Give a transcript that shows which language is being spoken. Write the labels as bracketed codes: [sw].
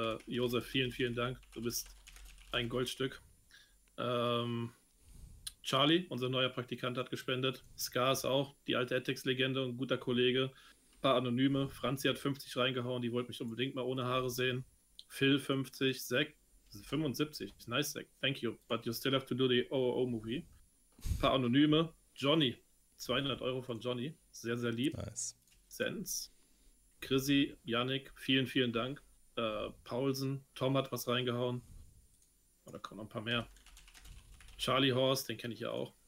[de] Josef, vielen, vielen Dank. Du bist ein Goldstück. Charlie, unser neuer Praktikant, hat gespendet. Scar ist auch die alte Attex-Legende und guter Kollege. Ein paar Anonyme. Franzi hat 50 reingehauen. Die wollte mich unbedingt mal ohne Haare sehen. Phil, 50. Zack. [en] 75, nice, thank you, but you still have to do the OOO movie. [de] Ein paar Anonyme, Johnny, 200 Euro von Johnny, sehr, sehr lieb. Nice. Sense, Chrissy, Yannick, vielen, vielen Dank. Paulsen, Tom hat was reingehauen. Oh, da kommen noch ein paar mehr. Charlie Horse, den kenne ich ja auch.